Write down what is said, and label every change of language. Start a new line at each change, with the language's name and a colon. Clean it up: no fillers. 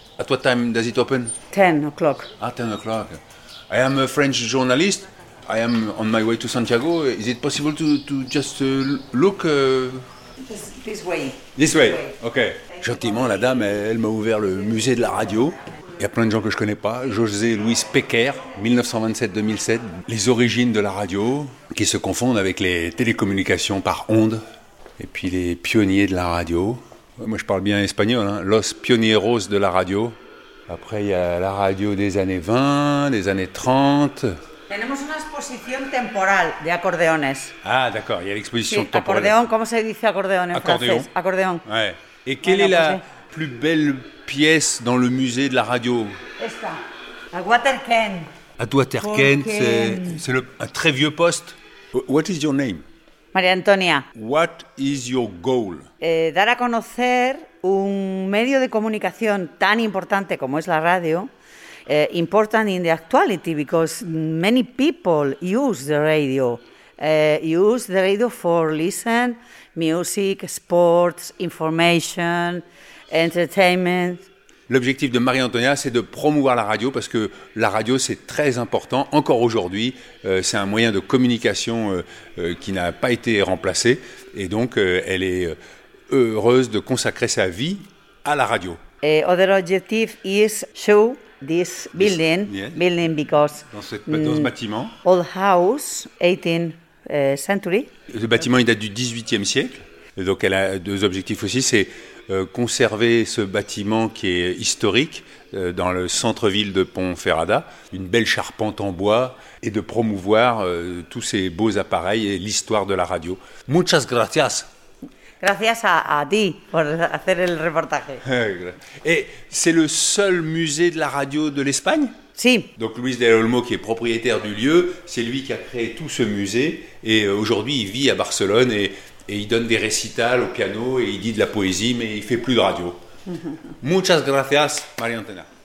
English: At what time does it open? 10 o'clock. Ah, 10 o'clock. I am a French journalist. I am on my way to Santiago. Is it possible to just look? This way. This way, okay.
French: Gentiment, la dame, elle m'a ouvert le musée de la radio. Il y a plein de gens que je connais pas. José Luis Péquer, 1927-2007. Les origines de la radio, qui se confondent avec les télécommunications par ondes. Et puis les pionniers de la radio. Moi, je parle bien espagnol, hein.
Spanish: Los Pioneros de la radio.
French: Après, il y a la radio des années 20, des années 30.
Spanish: Tenemos una exposición temporal de acordeones.
French: Ah, d'accord, il y a l'exposition
Spanish: temporal. Acordeón, ¿cómo se dice acordeón en francés? Acordeón. Acordeón.
French: Ouais. Et quelle est la, plus belle pièce dans le musée de la radio.
Spanish: Esta, à Waterken.
French: À Waterken, c'est un très vieux poste.
English: What is your name? Maria Antonia. What is your goal?
Spanish: Dar a conocer un medio de comunicación tan importante como es la radio,
English: important in the actuality because many people use the radio. Use the radio for listen, music, sports, information, entertainment.
French: L'objectif de Marie-Antonia, c'est de promouvoir la radio parce que la radio, c'est très important. Encore aujourd'hui, c'est un moyen de communication qui n'a pas été remplacé. Et donc, elle est heureuse de consacrer sa vie à la radio.
English: Et other objective is show this building, this, yes. Building because
French: dans ce bâtiment.
English: Old house, 18th century.
French: Le bâtiment, il date du 18e siècle. Et donc, elle a deux objectifs aussi, c'est conserver ce bâtiment qui est historique dans le centre-ville de Ponferrada, une belle charpente en bois, et de promouvoir tous ces beaux appareils et l'histoire de la radio.
Spanish: Muchas gracias. Gracias a ti por hacer el reportaje.
French: Et c'est le seul musée de la radio de l'Espagne?
Spanish: Si.
French: Donc Luis del Olmo, qui est propriétaire du lieu, c'est lui qui a créé tout ce musée, et aujourd'hui il vit à Barcelone et il donne des récitals au piano et il dit de la poésie, mais il ne fait plus de radio.
Spanish: Muchas gracias, Maria Antonia.